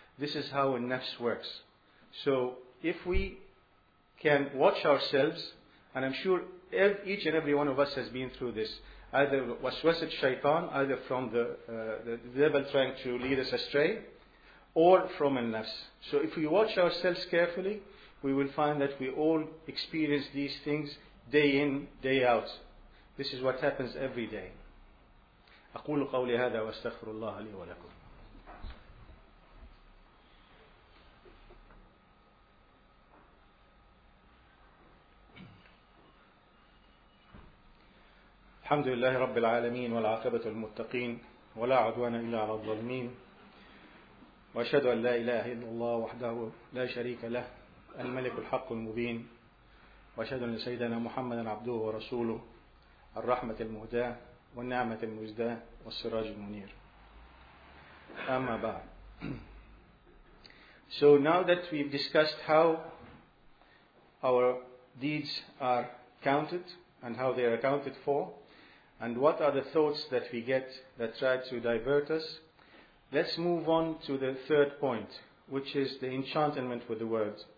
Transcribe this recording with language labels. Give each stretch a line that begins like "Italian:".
English: This is how a nafs works. So, if we can watch ourselves, and I'm sure each and every one of us has been through this, either
Arabic: waswasat shaitan,
English: either from the devil trying to lead us astray, or from a nafs. So if we watch ourselves carefully, we will find that we all experience these things day in, day out. This is what happens every day.
Arabic: أقول قولي هذا واستغفر الله لي ولكم. الحمد لله رب العالمين والعاقبة المتقين ولا عدوان إلا على الظالمين وأشهد أن لا إله إلا الله وحده لا شريك له الملك الحق المبين وأشهد أن سيدنا محمدا عبده ورسوله الرحمة المهداة والنعمة المزداة والسراج المنير أما بعد.
English: So now that we've discussed how our deeds are counted and how they are accounted for, and what are the thoughts that we get that try to divert us, let's move on to the third point, which is the enchantment with the word.